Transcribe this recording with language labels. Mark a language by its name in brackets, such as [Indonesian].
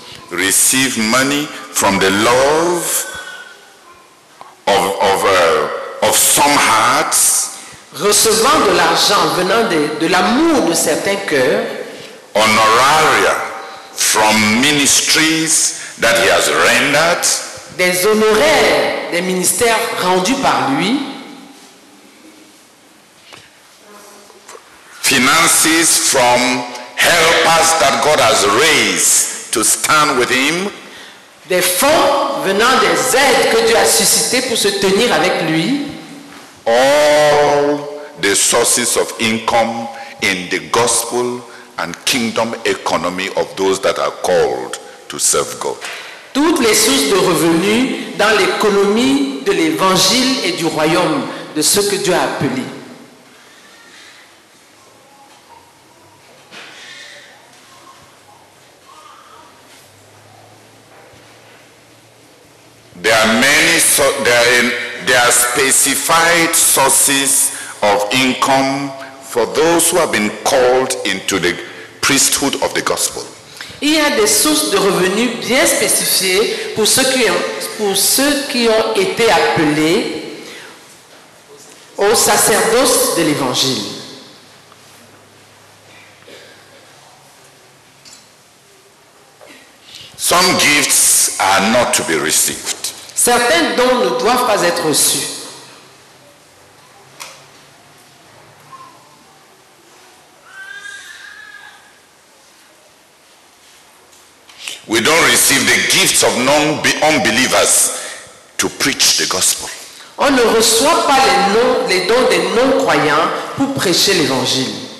[English] Receive money from the love of some hearts. [French] Recevant de l'argent venant de l'amour de certains cœurs. [English] Honoraria from ministries that he has rendered. [French] Des honoraires des ministères rendus par lui. [English] Finances from helpers that God has raised to stand with him. [French] Des fonds venant des aides que Dieu a suscité pour se tenir avec lui. [English] All the sources of income in the gospel and kingdom economy of those that are called to serve God. [French] Toutes les sources de revenus dans l'économie de l'évangile et du royaume de ceux que Dieu a appelés. [English] There are specified sources of income for those who have been called into the priesthood of the gospel. [French] Il y a des sources de revenus bien spécifiées pour ceux qui ont été appelés au sacerdoce de l'Évangile. [English] Some gifts are not to be received. [French] Certains dons ne doivent pas être reçus. [English] We don't receive the gifts of non-believers to preach the gospel. [French] On ne reçoit pas les dons des non-croyants pour prêcher l'évangile.